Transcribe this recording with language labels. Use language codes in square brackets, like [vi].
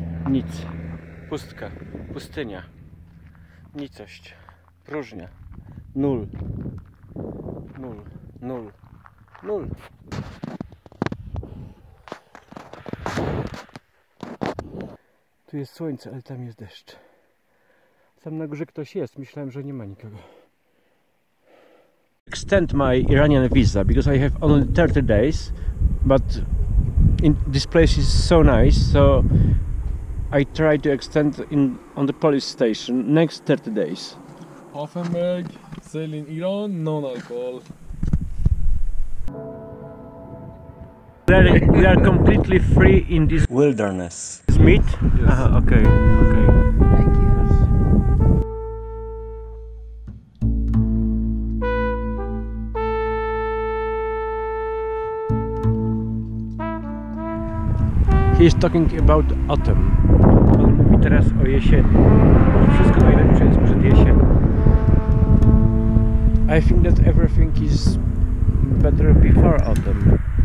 [pl] Nic. Pustka. Pustynia. Nicość. Próżnia. Nul. Nul, nul, nul. Tu jest słońce, ale tam jest deszcz. Tam na górze ktoś jest. Myślałem, że nie ma nikogo. [en] Extend my Iranian visa because I have only 30 days, but in this place is so nice, so I try to extend in on the police station next 30 days. Hoffenberg, sell in Iran, non-alcohol. We are completely free in this wilderness. Is meat? Yes. Okay. Okay. Thank you. He is talking about autumn. [pl] On mówi teraz o jesieni. Wszystko najlepsze jest przed jesienią. [en] I think that everything is better before autumn.